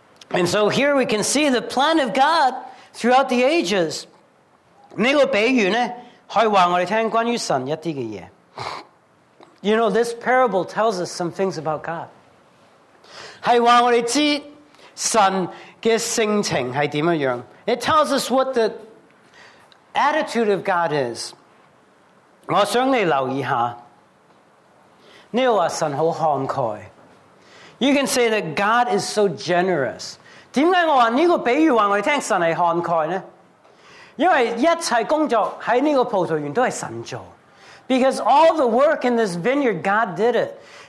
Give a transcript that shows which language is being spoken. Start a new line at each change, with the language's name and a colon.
English: And so here we can see the plan of God throughout the ages.
Chinese: 这个比喻呢,可以告诉我们关于神一些的事。
English: You know, this parable tells us some things about God.
Chinese: 是告诉我们神的性情是怎么样。
English: It tells us what the attitude of God is.
Chinese: 我想你留意一下,这个说神很慷慨。
English: You can say that God is so generous.
Chinese: 为什么我说这个比喻告诉我们神是慷慨呢?因为一切工作在这个葡萄园都是神做
English: Because all the work in this vineyard, God did it.